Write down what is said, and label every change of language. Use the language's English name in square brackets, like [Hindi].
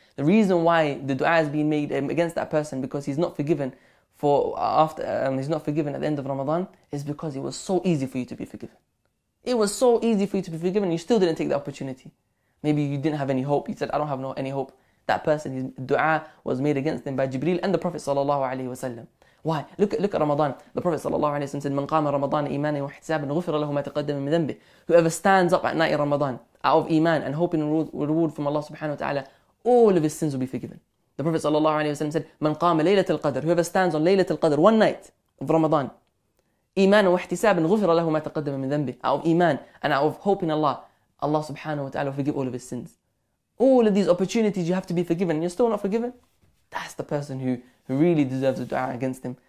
[English] The reason why the dua is being made against that person because he's not forgiven he's not forgiven at the end of Ramadan is because it was so easy for you to be forgiven. It was so easy for you to be forgiven and you still didn't take the opportunity. Maybe you didn't have any hope. You said, I don't have any hope. That person, his dua was made against them by Jibreel and the Prophet sallallahu alayhi wa sallam. Why? Look at Ramadan. The Prophet sallallahu alayhi wa sallam said, [Arabic] من قام رمضان إيمانا وحسابا غفر له ما تقدم من ذنبه. [English] Whoever stands up at night in Ramadan out of iman and hoping reward from Allah subhanahu wa ta'ala, all of his sins will be forgiven. The Prophet sallallahu alayhi wa sallam said, [Arabic] من قام ليلة القدر. [English] Whoever stands on [Arabic] ليلة القدر, [English] one night of Ramadan, [Arabic] إيمانا وحسابا غفر له ما تقدم من ذنبه. [English] Out of iman and out of hoping Allah, Allah subhanahu wa ta'ala will forgive all of his sins. All of these opportunities you have to be forgiven and you're still not forgiven. That's the person who really deserves a dua against him.